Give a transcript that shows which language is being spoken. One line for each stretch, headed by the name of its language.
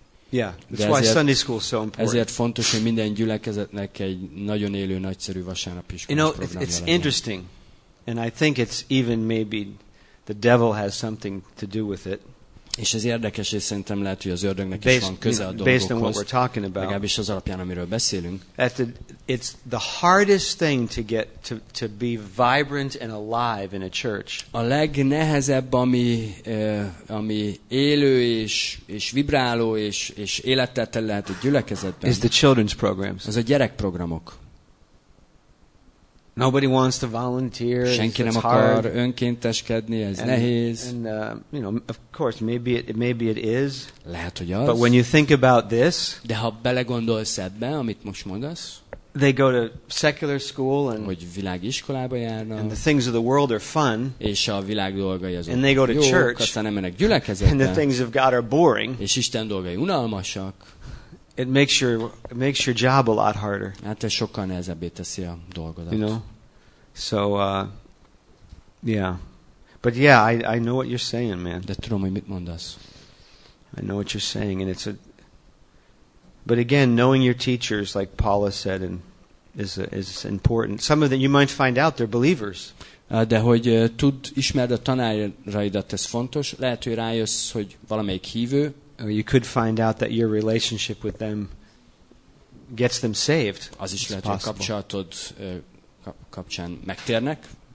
English: Yeah, that's why Sunday school is so important.
Hungarian: Ezért fontos, hogy minden gyülekezetnek egy nagyon élő, nagyszerű vasárnapi iskolás programja legyen.
English: You know, it's interesting, and I think it's even maybe the devil has something to do with it.
Hungarian: És ez érdekes, és szerintem lehet, hogy az ördögnek is van köze a dolgokhoz.
English: Based on what we're talking about.
Hungarian: Legalábbis az alapján, amiről beszélünk.
English: It's the hardest thing to get to be vibrant and alive in a church.
Hungarian: A legnehezebb, ami élő és vibráló és élettel tele lehet a gyülekezetben.
English: Is the children's programs.
Hungarian: Az a gyerekprogramok.
English: Nobody wants to volunteer.
Hungarian: Senki nem
English: it's
Hungarian: akar
English: hard.
Hungarian: Önkénteskedni, ez and, nehéz.
English: And you know, of course, maybe it is.
Hungarian: Lehet, hogy az.
English: But when you think about this,
Hungarian: de ha belegondolsz ebbe, amit most mondasz,
English: they go to secular school and
Hungarian: hogy világi iskolába járnak,
English: and the things of the world are fun,
Hungarian: és a világ dolgai azok,
English: and they go to
Hungarian: jók,
English: church,
Hungarian: aztán nem mennek gyülekezetbe,
English: and the things of God are boring,
Hungarian: és Isten dolgai unalmasak.
English: It makes your job a lot harder.
Hungarian: Hát ez sokkal nehezebbé teszi a dolgodat.
English: You know? So, yeah. But yeah, I know what you're saying, man.
Hungarian: De tudom, hogy mit mondasz.
English: I know what you're saying, and but again, knowing your teachers, like Paula said, and is important. Some of them you might find out they're believers.
Hungarian: De hogy tud, ismerd a tanáraidat, ez fontos. Lehet, hogy rájössz, hogy valamelyik hívő.
English: You could find out that your relationship with them gets them saved.
Hungarian: Az is lehet, hogy kapcsolatod kapcsán megtérnek.